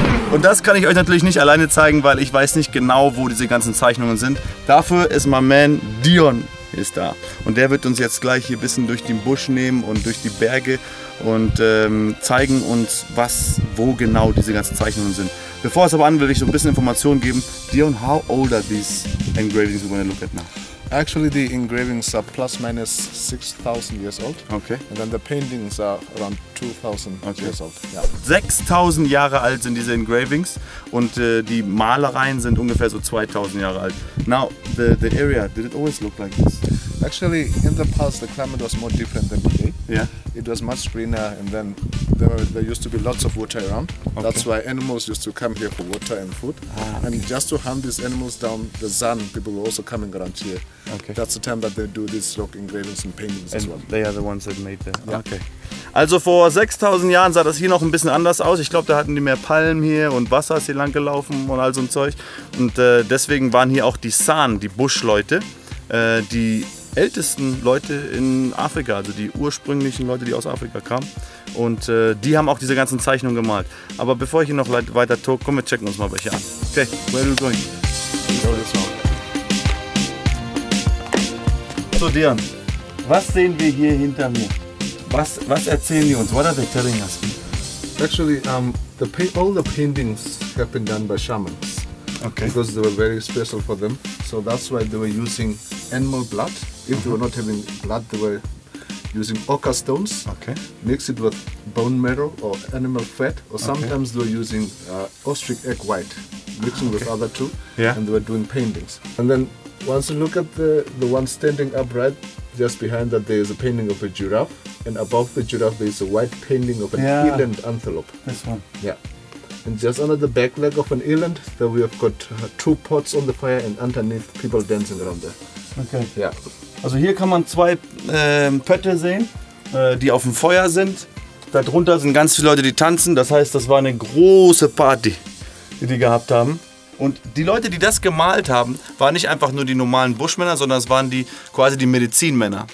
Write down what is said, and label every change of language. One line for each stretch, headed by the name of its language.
German: Und das kann ich euch natürlich nicht alleine zeigen, weil ich weiß nicht genau, wo diese ganzen Zeichnungen sind. Dafür ist mein Man Dion ist da. Und der wird uns jetzt gleich hier ein bisschen durch den Busch nehmen und durch die Berge und zeigen uns, was, wo genau diese ganzen Zeichnungen sind. Bevor es aber an, will ich so ein bisschen Informationen geben.
English: Dion, how old are these engravings we're going to look at now? Actually, the engravings are plus minus 6,000 years old. Okay. And then the paintings are around 2,000 okay. years old. Yeah.
German: 6,000 Jahre alt sind diese engravings und die Malereien sind ungefähr so 2,000 Jahre alt.
English: Now, the area, did it always look like this? Actually, in the past, the climate was more different than today. Yeah. It was much greener and then there used to be lots of water around. Okay. That's why animals used to come here for water and food. Ah, okay. And just to hunt these animals down, the Zan people were also coming around here. Okay. That's the time that they do these rock engravings and paintings and as well. They are the ones that made that. Yeah. Okay.
German: Also vor 6000 Jahren sah das hier noch ein bisschen anders aus. Ich glaube, da hatten die mehr Palmen hier und Wasser ist hier lang gelaufen und all so ein Zeug. Und deswegen waren hier auch die San, die Buschleute, die ältesten Leute in Afrika, also die ursprünglichen Leute, die aus Afrika kamen. Und die haben auch diese ganzen Zeichnungen gemalt. Aber bevor ich hier noch weiter talk, komm, wir checken uns mal welche an.
English: Okay, where are you going?
German: So Dion, was sehen wir hier hinter mir? Was erzählen die uns?
English: What are they telling us? Actually, all the paintings have been done by shamans. Okay. Because they were very special for them. So that's why they were using animal blood. If they were not having blood, they were using ochre stones, okay. mix it with bone marrow or animal fat, or sometimes okay. they were using ostrich egg white, mixing okay. with other two, yeah. and they were doing paintings. And then once you look at the one standing upright, just behind that there is a painting of a giraffe, and above the giraffe there is a white painting of an eland antelope. This one. Yeah. And just under the back leg of an eland, there we have got two pots on the fire and underneath people dancing around there. Okay. Yeah.
German: Also hier kann man zwei Pötte sehen, die auf dem Feuer sind. Darunter sind ganz viele Leute, die tanzen. Das heißt, das war eine große Party, die die gehabt haben. Und die Leute, die das gemalt haben, waren nicht einfach nur die normalen Buschmänner, sondern es waren die quasi die Medizinmänner.